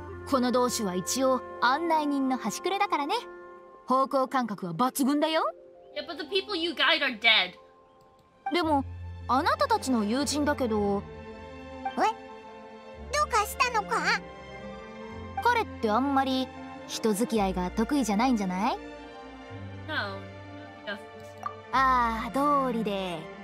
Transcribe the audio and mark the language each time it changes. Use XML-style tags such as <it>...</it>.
<ja>この道主は一応、案内人の端くれだからね。方向感覚は抜群だよ。</ja> <en>Yeah, but the people you guide are dead.</en> <ja>でも、あなたたちの友人だけど、え？どうかしたのか？彼ってあんまり人付き合いが得意じゃないんじゃない？</ja> <en>No, just...</en> <ja>ああ、道理で。</ja>